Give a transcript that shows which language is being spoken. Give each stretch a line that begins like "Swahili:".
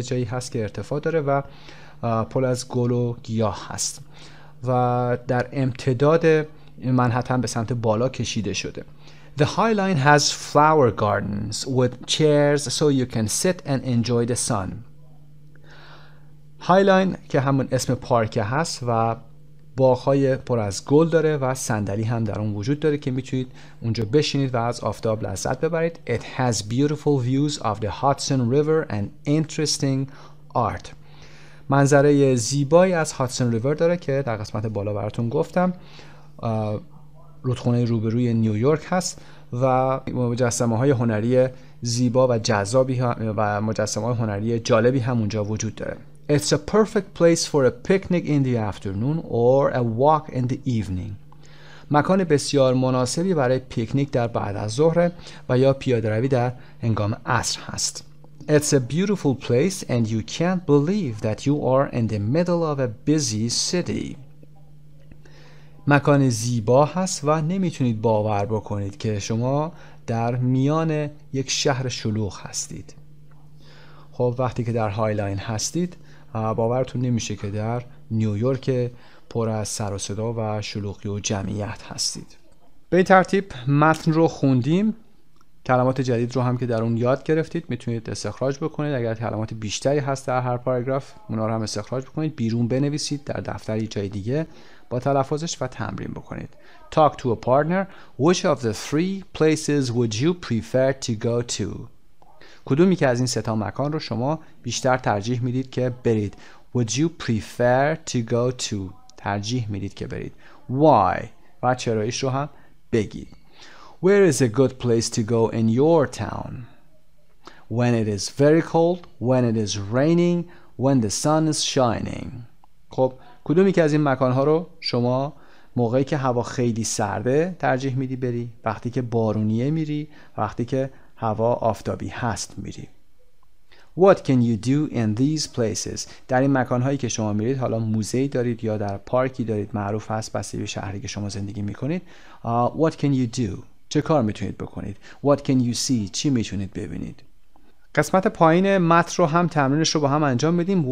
Persian: یه جایی هست که ارتفاع داره و پل از گل و گیاه هست و در امتداد منهتن به سمت بالا کشیده شده.
English: The High Line has flower gardens with chairs so you can sit and enjoy the sun.
Persian: High Line که همون اسم پارک هست و باغ‌های پر از گل داره و صندلی هم در اون وجود داره که میتونید اونجا بشینید و از آفتاب لذت ببرید.
English: It has beautiful views of the Hudson River and interesting art.
Persian: منظره زیبایی از هادسون ریور داره که در قسمت بالا براتون گفتم. رودخونه روبروی نیویورک هست و مجسمه‌های هنری زیبا و جذابی هم و مجسمه‌های هنری جالبی هم اونجا وجود داره.
English: It's a perfect place for a picnic in the afternoon or a walk in the evening.
Persian: مکان بسیار مناسبی برای پیکنیک در بعد از ظهر و یا پیاده روی در هنگام عصر هست.
English: It's a beautiful place and you can't believe that you are in the middle of a busy city.
Persian: مکان زیبا هست و نمیتونید باور بکنید که شما در میان یک شهر شلوغ هستید. خب وقتی که در هایلاین هستید باورتون نمیشه که در نیویورک پر از سر و صدا و شلوغی و جمعیت هستید. به این ترتیب متن رو خوندیم، کلمات جدید رو هم که در اون یاد گرفتید میتونید استخراج بکنید. اگر کلمات بیشتری هست در هر پاراگراف اونا رو هم استخراج بکنید، بیرون بنویسید در دفتری جای دیگه با تلفظش و تمرین بکنید.
English: Talk to a partner. Which of the three places would you prefer to go to?
Persian: کدومی که از این سه تا مکان رو شما بیشتر ترجیح میدید که برید؟
English: Would you prefer to go to؟
Persian: ترجیح میدید که برید.
English: Why؟
Persian: و چرایش رو هم بگید.
English: Where is a good place to go in your town؟ When it is very cold, when it is raining, when the sun is shining.
Persian: خب کدومی که از این مکانها رو شما موقعی که هوا خیلی سرده ترجیح میدی بری، وقتی که بارونیه میری، وقتی که هوا آفتابی هست میری.
English: What can you do in these places؟
Persian: در این مکانهایی که شما میرید، حالا موزهی دارید یا در پارکی دارید، معروف هست بسیاری به شهری که شما زندگی میکنید،
English: What can you do؟
Persian: چه کار میتونید بکنید؟
English: What can you see؟
Persian: چی میتونید ببینید؟ قسمت پایین متن رو هم تمرینش رو با هم انجام بدیم.